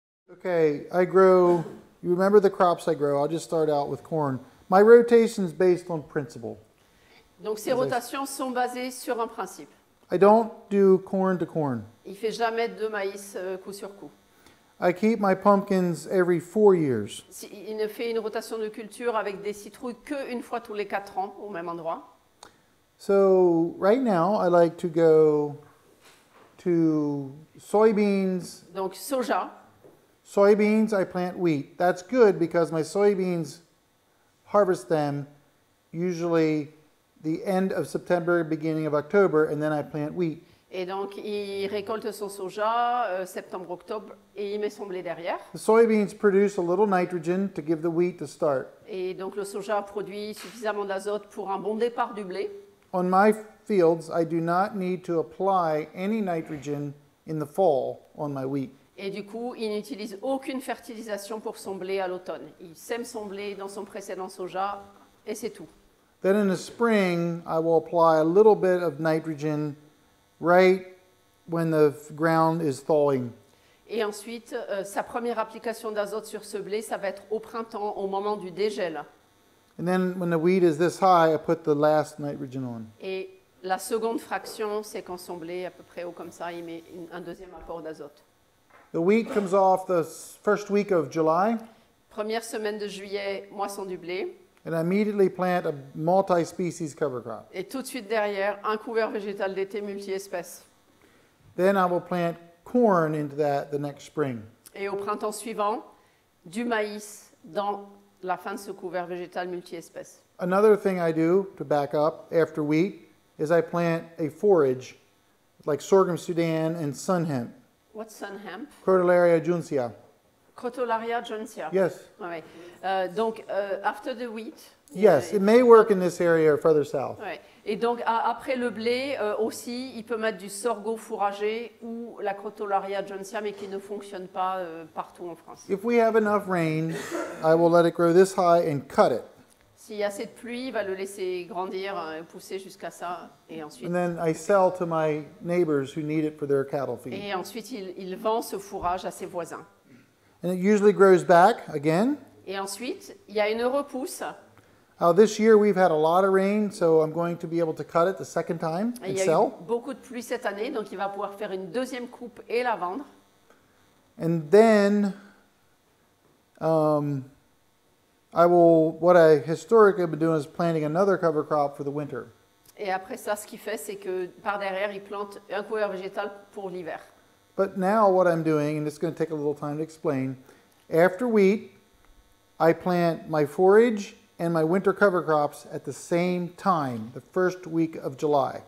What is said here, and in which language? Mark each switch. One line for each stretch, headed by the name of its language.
English: Okay, I grow, you remember the crops I grow, I'll just start out with corn. My rotation is based on principle.
French: Donc ces rotations sont basées sur un principe.
English: I don't do corn to corn.
French: Il fait jamais deux maïs coup sur coup.
English: I keep my pumpkins every 4 years.
French: Il ne fait une rotation de culture avec des citrouilles que une fois tous les 4 ans au même endroit.
English: So right now I like to go to soybeans.
French: Donc soja.
English: Soybeans, I plant wheat. That's good because my soybeans harvest them usually the end of September, beginning of October, and then I plant wheat.
French: Et donc, il récolte son soja septembre-octobre et il met son blé derrière.
English: The soybeans produce a little nitrogen to give the wheat to start.
French: Et donc, le soja produit suffisamment d'azote pour un bon départ du blé.
English: On my fields, I do not need to apply any nitrogen in the fall on my wheat.
French: Et du coup, il n'utilise aucune fertilisation pour son blé à l'automne. Il sème son blé dans son précédent soja et c'est tout.
English: Then in the spring, I will apply a little bit of nitrogen right when the ground is thawing.
French: Et ensuite, sa première application d'azote sur ce blé, ça va être au printemps, au moment du dégel.
English: And then when the wheat is this high, I put the last nitrogen on.
French: Et la seconde fraction, c'est quand son blé est à peu près haut comme ça, il met un deuxième apport d'azote.
English: The wheat comes off the first week of July.
French: Première semaine de juillet, moisson du blé.
English: And I immediately plant a multi-species cover crop.
French: Et tout de suite derrière, un couvert végétal d'été multi-espèce.
English: Then I will plant corn into that the next spring.
French: Et au printemps suivant, du maïs dans la fin de ce couvert végétal multi-espèce.
English: Another thing I do to back up after wheat is I plant a forage like sorghum Sudan and sun hemp. What's sun hemp? Crotalaria juncea. Crotalaria juncea. Yes.
French: Ouais. Donc,
English: after the wheat. Yes, it may work in this area or further south.
French: Ouais. Et donc, après le blé, aussi, il peut mettre du sorgho fourragé ou la Crotalaria juncea, mais qui ne fonctionne pas partout en France.
English: If we have enough rain, I will let it grow this high and cut it.
French: S'il y a assez de pluie, il va le laisser grandir, pousser jusqu'à ça, et ensuite.
English: And then I sell to my neighbors who need it for their cattle feed.
French: Et ensuite, il vend ce fourrage à ses voisins.
English: And it usually grows back again.
French: Et ensuite, il y a une repousse.
English: This year we've had a lot of rain, so I'm going to be able to cut it the second time and sell.
French: Il y a eu beaucoup de pluie cette année, donc il va pouvoir faire une deuxième coupe et la vendre.
English: And then, I will. What I historically have been doing is planting another cover crop for the winter.
French: Et après ça, ce qu'il fait, c'est que par derrière, il plante un couvert végétal pour l'hiver.
English: But now what I'm doing, and it's going to take a little time to explain, after wheat, I plant my forage and my winter cover crops at the same time, the first week of July.